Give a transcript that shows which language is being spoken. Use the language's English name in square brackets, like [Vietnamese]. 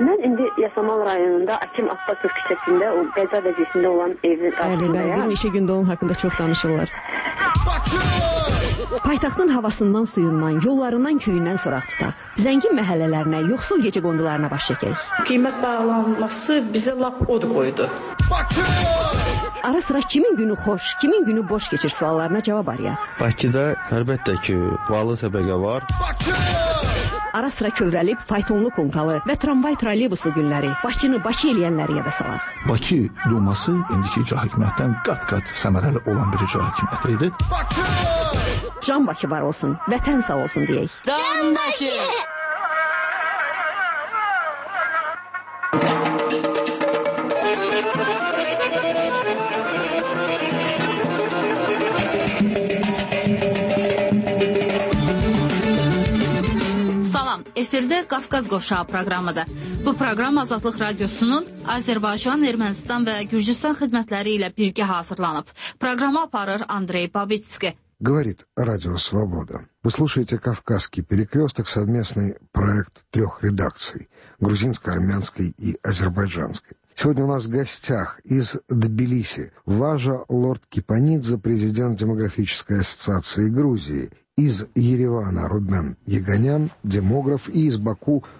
[Azerbaijani] Mən indi Yasamal rayonunda Akim Abbasov küçəsində o qəza vəziyyətində olan evin qarşısındayam. Bəli, bəli, bir neçə gündə onun haqqında çox danışırlar. Bakı! Paytaxtın havasından, suyundan, yollarından, köyündən soraq tutaq. Zəngin məhəllələrinə, yoxsul gecə qondularına baş çəkək. Qiymət bağlanması bizə lap od qoydu. Bakı! Ara sıra kimin günü xoş, kimin günü boş keçir suallarına cavab arayaq. Bakıda əlbəttə ki, varlı təbəqə var. Bakı! Ara sıra kövrəlib, faytonlu konkalı və tramvay trolleybuslu günləri Bakını Bakı eləyənləri yada salaq. Bakı Duması indiki icra hakimiyyətdən qat-qat səmərəli olan bir icra hakimiyyət idi. Bakı! Can Bakı var olsun, vətən sağ olsun deyək. Can Bakı! Efirdə Qafqaz Qovşağı proqramıdır. Bu proqram Azadlıq Radiosunun Azərbaycan, Ermənistan və Gürcüstan xidmətləri ilə birgə hazırlanıb. Proqramı aparır Andrey Babitski. [Russian] Говорит Радио Свобода. Вы слушаете «Кавказский перекресток», совместный проект трех редакций – грузинской, армянской и азербайджанской. Сегодня у нас в гостях из Тбилиси Важа Лорд-Кипанидзе, президент Демографической ассоциации Грузии, из Еревана Рубен Яганян, демограф, и из Баку